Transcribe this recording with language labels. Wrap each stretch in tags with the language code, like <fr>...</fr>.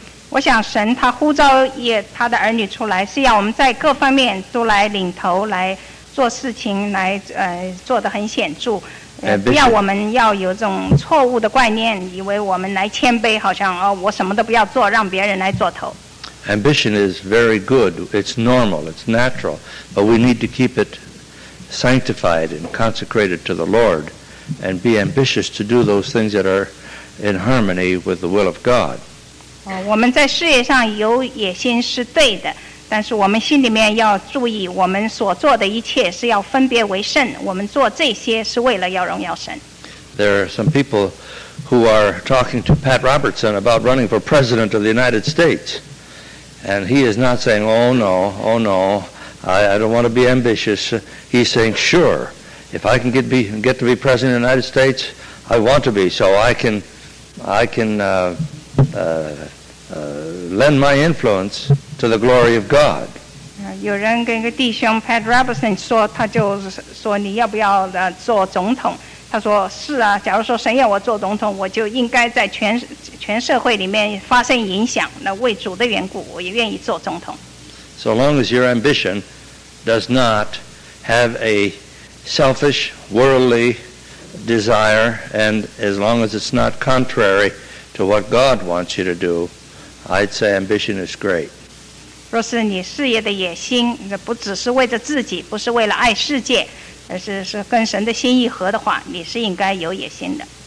<zh>我想神他呼召也他的儿女出来是要我们在各方面都来领头来做事情来做得很显著不要我们要有这种错误的观念以为我们来谦卑好像我什么都不要做让别人来做头</zh> <en>Ambition is very good. It's normal. It's natural. But we need to keep it sanctified and consecrated to the Lord. And be ambitious to do those things that are in harmony with the will of God.</en> <zh>我们在事业上有野心是对的，但是我们心里面要注意，我们所做的一切是要分别为圣。我们做这些是为了要荣耀神。</zh> <en>There are some people who are talking to Pat Robertson about running for president of the United States, and he is not saying, "Oh no, I don't want to be ambitious." He's saying, "Sure." If I can get to be president of the United States, I want to be, so I can lend my influence to the glory of God.</en> <zh>有人跟一个弟兄 Pat Robertson 说，他就说你要不要做总统？他说是啊，假如说神要我做总统，我就应该在全社会里面发生影响。那为主的缘故，我也愿意做总统。</zh> <en>So long as your ambition does not have aselfish, worldly desire, and as long as it's not contrary to what God wants you to do, I'd say ambition is great.</en> <zh>若是你事业的野心，不只是为着自己，不是为了爱世界，而是跟神的心意合的话，你是应该有野心的。</zh>